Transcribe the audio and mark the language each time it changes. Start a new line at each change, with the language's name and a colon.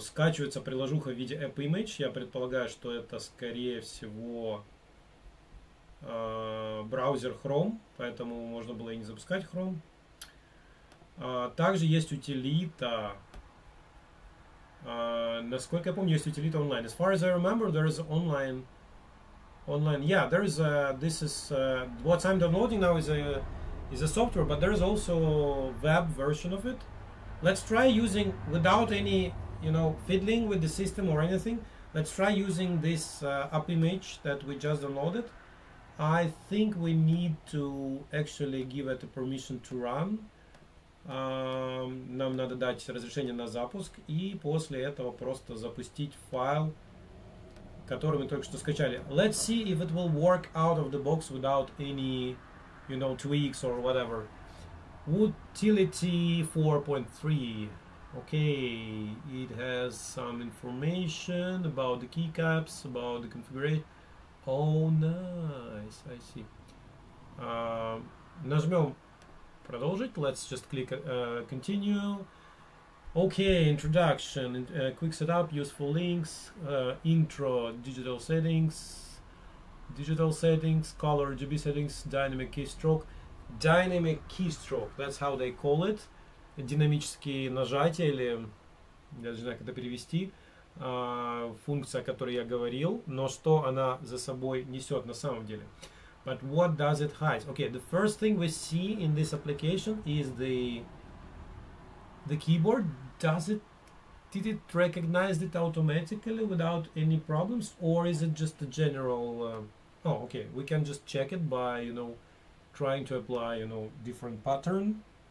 Russian: Скачивается приложуха в виде App Image, я предполагаю, что это скорее всего браузер Chrome, поэтому можно было и не запускать Chrome. Также есть утилита. Насколько я помню, есть утилита онлайн.
English: As far as I remember, there is online. Online, yeah, there is. This is what I'm downloading now is a software, but there is also web version of it. Let's try using without any, you know, fiddling with the system or anything. Let's try using this app image that we just downloaded. I think we need to actually give it a permission to run.
Russian: Нам надо дать разрешение на запуск и после этого просто запустить файл, который мы только что скачали.
English: Let's see if it will work out of the box without any, you know, tweaks or whatever. Utility 4.3. Okay, it has some information about the keycaps, about the configuration. Oh, nice, I see.
Russian: Нажмем продолжить.
English: Let's just click continue. Okay, introduction, quick setup, useful links, intro, digital settings, color, RGB settings, dynamic keystroke. Dynamic keystroke, that's how they call it.
Russian: Динамические нажатия, или я не знаю, как это перевести. Функция, о которой я говорил, но что она за собой несет на самом деле.
English: But what does it hide? Okay, the first thing we see in this application is the keyboard. Did it recognize it automatically without any problems, or is it just a general? Okay, we can just check it by, you know, trying to apply, you know, different pattern.